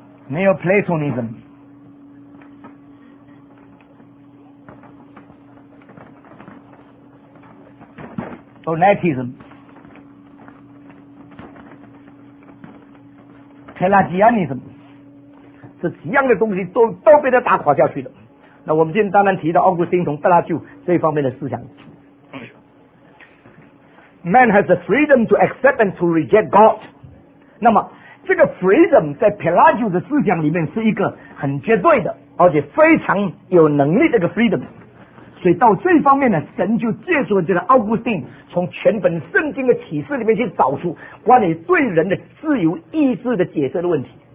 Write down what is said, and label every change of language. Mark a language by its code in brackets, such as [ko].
[zh] Neoplatonism、 Donatism、 Pelagianism， 这几样的东西 都被他打垮下去了。那我们今天当然提到奥古斯丁同贝拉修这方面的思想。 [en] Man has the freedom to accept and to reject God。 [zh] 那么这个 freedom 在 Pelagius 的思想里面是一个很绝对的而且非常有能力的一个 freedom。所以到这方面呢，神就借助这个奥古斯丁从全本圣经的启示里面去找出关于对人的自由意志的解释的问题。